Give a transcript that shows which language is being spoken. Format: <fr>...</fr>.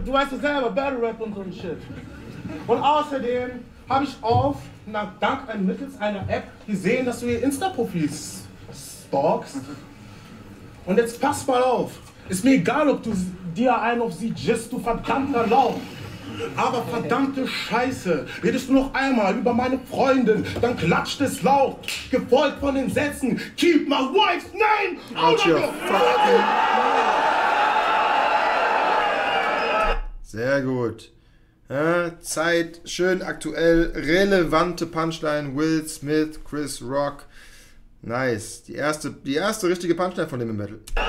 <de>Du weißt doch selber, Battle Rap und so ein Shit. Und außerdem habe ich auf, dank mittels einer App, gesehen, dass du ihr Insta-Profil stalkst. Und jetzt pass mal auf. Ist mir egal, ob du dir einen auf sie gist, du verdammter Lauch. Aber verdammte Scheiße, redest du noch einmal über meine Freundin, dann klatscht es laut, gefolgt von den Sätzen.</de> <en>Keep my wife's name out of your fucking</en> <de>Sehr gut. Zeit, schön aktuell, relevante Punchline, Will Smith, Chris Rock, nice, die erste richtige Punchline von dem im Battle.</de>